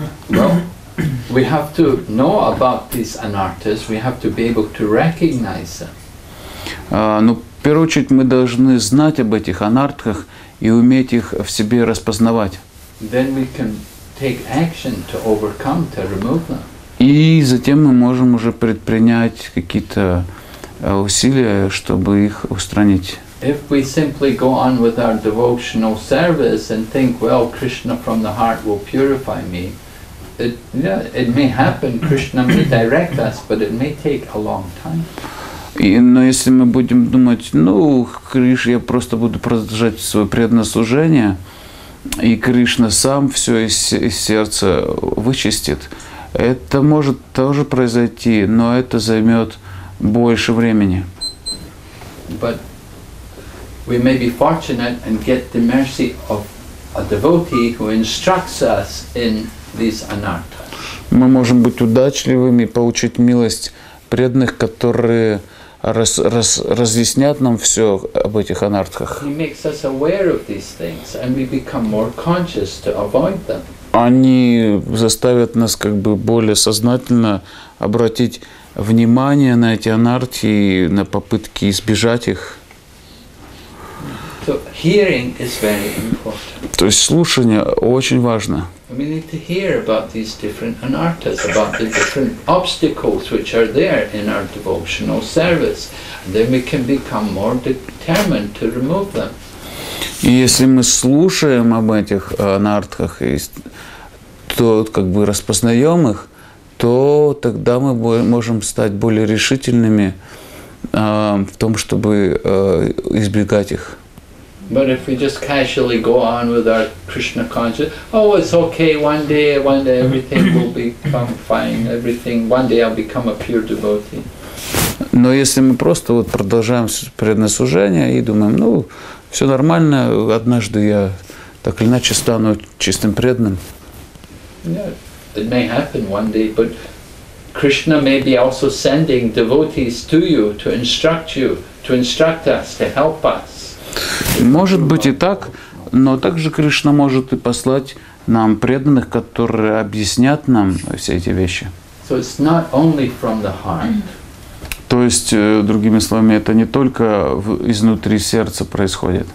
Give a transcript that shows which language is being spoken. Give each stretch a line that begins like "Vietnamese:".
English: Well, we have to know about these anarthas. We have to be able to recognize them.
Russian: Ну, в первую очередь, мы должны знать об этих анартхах и уметь их в себе распознавать.
English: Then we can take action to overcome, to remove them.
Russian: И затем мы можем уже предпринять какие-то усилия, чтобы их устранить.
English: If we simply go on with our devotional service and think, well, Krishna from the heart will purify me, it may happen, Krishna may direct us, but it may take a long time.
Russian: Но если мы будем думать, ну, Кришна, я просто буду продолжать свое преданное служение, и Кришна сам все из сердца вычистит, это может тоже произойти, но это займет больше времени.
English: But we may be fortunate and get the mercy of a devotee who instructs us in these anarthas.
Russian: Мы можем быть удачливыми, получить милость преданных, которые разъяснят нам все об этих анартхах.
English: He makes us aware of these things, and we become more conscious to avoid them.
Russian: Они заставят нас как бы более сознательно обратить внимание на эти анартхи и на попытки избежать их.
English: So hearing is very important.
Russian: То есть слушание очень важно.
English: We need to hear about these different anarthas, about the different obstacles which are there in our devotional service. And then we can become more determined to remove them.
Russian: И если мы слушаем об этих анартхах, то как бы распознаем их, то тогда мы можем стать более решительными в том, чтобы избегать их.
English: But if we just casually go on with our Krishna consciousness, oh, it's okay, one day everything will become fine, everything, one day I'll become a pure devotee.
Russian: Но если мы просто вот продолжаем преданное служение и думаем, ну, все нормально, однажды я так или иначе стану чистым преданным.
English: Yeah, it may happen one day, but Krishna may be also sending devotees to you to instruct you, to instruct us, to help us.
Russian: Может быть и так, но также Кришна может и послать нам преданных, которые объяснят нам все эти вещи.
English: So it's not only from the heart.
Russian: То есть, другими словами, это не только изнутри сердца происходит.